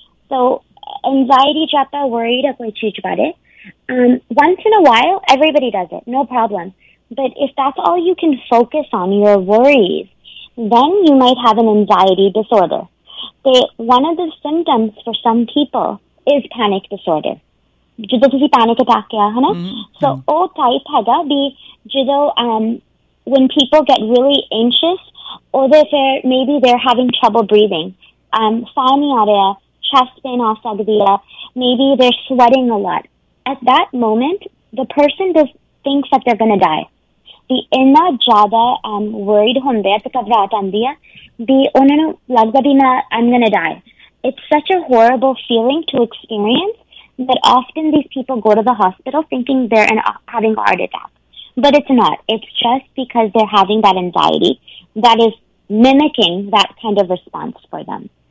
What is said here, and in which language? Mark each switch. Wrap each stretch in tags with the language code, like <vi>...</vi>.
<en>So anxiety, worried about it. Once in a while, everybody does it, no problem. But if that's all you can focus on, your worries, then you might have an anxiety disorder. One of the symptoms for some people is panic disorder.</en> <pa>ਜਦੋਂ ਤੁਸੀਂ panic attack ਕਿਹਾ ਹਨਾ ਸੋ ਉਹ type ਹੈਗਾ ਵੀ ਜਦੋਂ</pa> <en>when people get really anxious ਉਹਦੇ ਫਿਰ maybe they are having trouble breathing</en> <pa>ਸਾਹ ਨਹੀਂ ਆ ਰਿਹਾ ਚੈਸਟ ਪੇਨ ਆ ਸਕਦੀ ਆ</pa> <en>maybe they are sweating a lot at that moment the person does thinks that they are gonna die</en> <pa>ਵੀ ਇੰਨਾ ਜ਼ਿਆਦਾ ਵਰਿਡ ਹੁੰਦੇ ਆ ਤੇ ਘਬਰਾਹਟ ਆਉਂਦੀ ਆ ਵੀ ਉਹਨਾਂ ਨੂੰ ਲੱਗਦਾ ਵੀ ਮੈਂ</pa> <en>I am gonna die it's such a horrible feeling to experience that often these people go to the hospital thinking they're having a heart attack. But it's not. It's just because they're having that anxiety that is mimicking that kind of response for them.</en>